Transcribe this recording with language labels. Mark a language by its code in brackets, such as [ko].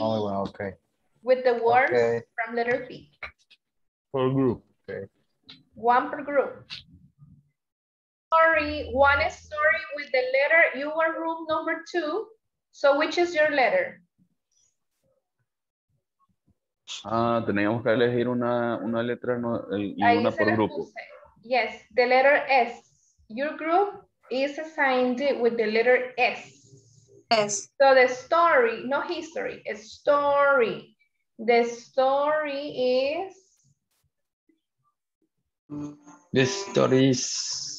[en] Only one, okay. With the words, okay. From letter P. Per group, okay. One per group. Sorry, one story with the letter, you are room number two, so which is your letter? [es] Ah, teníamos que elegir una letra y una por grupo. [en] Yes, the letter S. Your group is assigned with the letter S. Yes. So the story, no history, a story. The story is. The story is.